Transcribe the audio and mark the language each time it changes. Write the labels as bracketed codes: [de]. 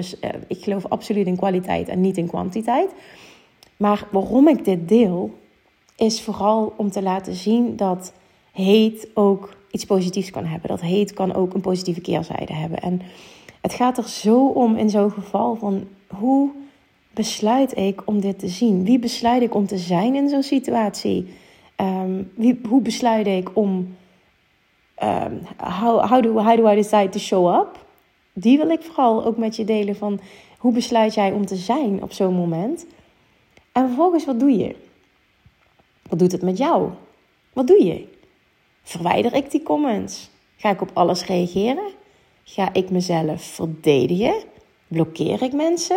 [nl] Dus ik geloof absoluut in kwaliteit en niet in kwantiteit. Maar waarom ik dit deel, is vooral om te laten zien dat hate ook iets positiefs kan hebben. Dat hate kan ook een positieve keerzijde hebben. En het gaat er zo om in zo'n geval van hoe besluit ik om dit te zien? Wie besluit ik om te zijn in zo'n situatie? Hoe besluit ik om... [en] How do I decide to show up? [nl] Die wil ik vooral ook met je delen van... Hoe besluit jij om te zijn op zo'n moment? En vervolgens, wat doe je? Wat doet het met jou? Wat doe je? Verwijder ik die comments? Ga ik op alles reageren? Ga ik mezelf verdedigen? Blokkeer ik mensen?